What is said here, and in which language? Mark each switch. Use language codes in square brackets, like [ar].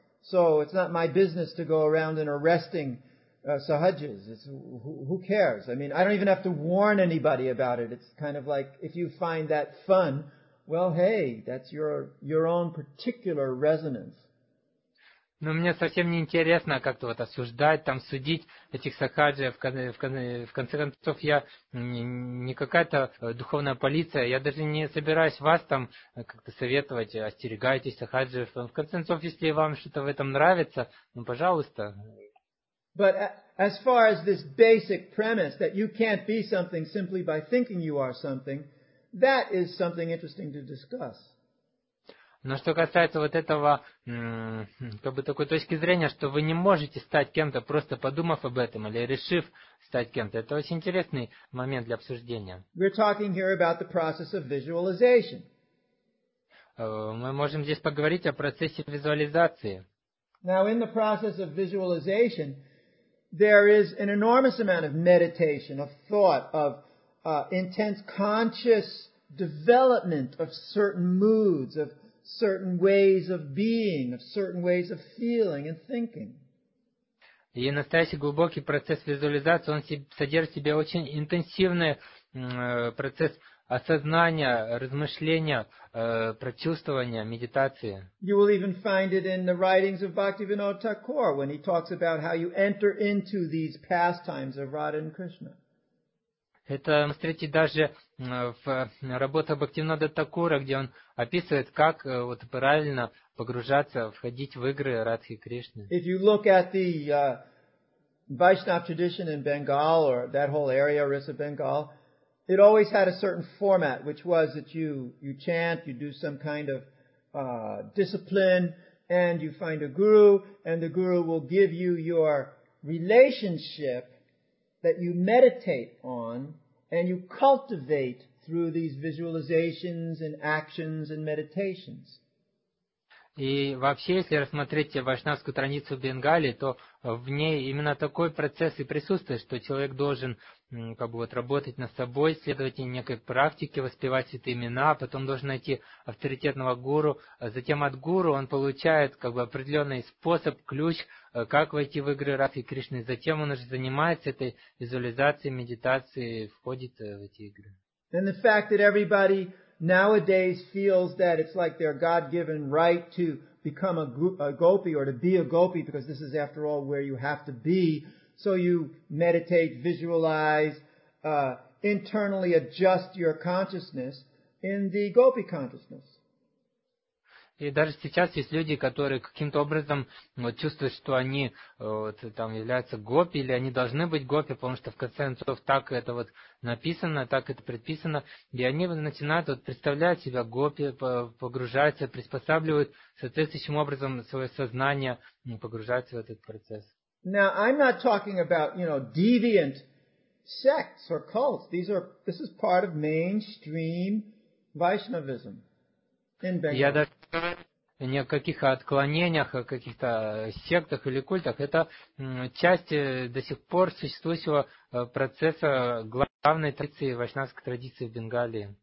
[en] So it's not my business to go around and arresting sahajas. Who cares? I mean, I don't even have to warn anybody about it. It's kind of like if you find that fun, well, hey, that's your own particular resonance. [ru] Но мне совсем не интересно как-то вот осуждать, там судить этих сахаджи. В конце концов, я не какая-то духовная полиция. Я даже не собираюсь вас там как-то советовать, остерегайтесь сахаджи. В конце концов, если вам что-то в этом нравится, ну, пожалуйста. [en] But as far as this basic premise that you can't be something simply by thinking you are something, that is something interesting to discuss. [ru] Но что касается вот этого, как бы такой точки зрения, что вы не можете стать кем-то, просто подумав об этом или решив стать кем-то, это очень интересный момент для обсуждения. [en] We're talking here about the process of visualization. [ru] Мы можем здесь поговорить о процессе визуализации. [en] Now in the process of visualization, there is an enormous amount of meditation, of thought, of intense conscious development of certain moods, of certain ways of being, of certain ways of feeling and thinking. [ru] И настоящий глубокий процесс визуализации, он содержит в себе очень интенсивный процесс осознания, размышления, прочувствования, медитации. [en] You will even find it in the writings of Bhaktivinoda Thakur when he talks about how you enter into these pastimes of Radha and Krishna. [ru] Это встретить даже в работах Бхактивинода Такура, где он описывает, как вот правильно погружаться, входить в игры Радхи Кришны. [en] If you look at the Vaishnava tradition in Bengal or that whole area, Orissa, Bengal, it always had a certain format, which was that you chant, you do some kind of discipline, and you find a guru, and the guru will give you your relationship that you meditate on and you cultivate through these visualizations and actions and meditations. [ru] И вообще, если рассмотреть вайшнавскую традицию Бенгали, то в ней именно такой процесс и присутствует, что человек должен как бы вот работать над собой, следовать некой практике, воспевать эти имена, потом должен найти авторитетного гуру, затем от гуру он получает как бы определенный способ, ключ, как войти в игры Радхи Кришны, затем он уже занимается этой визуализацией, медитацией, входит в эти игры. [en] And the fact that everybody nowadays feels that it's like their God-given right to become a gopi or to be a gopi, because this is, after all, where you have to be. So you meditate, visualize, internally adjust your consciousness in the gopi consciousness. [ru] И даже сейчас есть люди, которые каким-то образом вот, чувствуют, что они вот, там являются гопи, или они должны быть гопи, потому что в конце концов так это вот написано, так это предписано. И они начинают вот, представлять себя гопи, погружаются, приспосабливают соответствующим образом свое сознание, погружаются в этот процесс. [en] Now, I'm not talking about, you know, deviant sects or cults. This is part of mainstream Vaishnavism. [ru] Я даже не о каких отклонениях, о каких-то сектах или культах. Это часть до сих пор существующего процесса главной традиции, вайшнавской традиции в Бенгалии.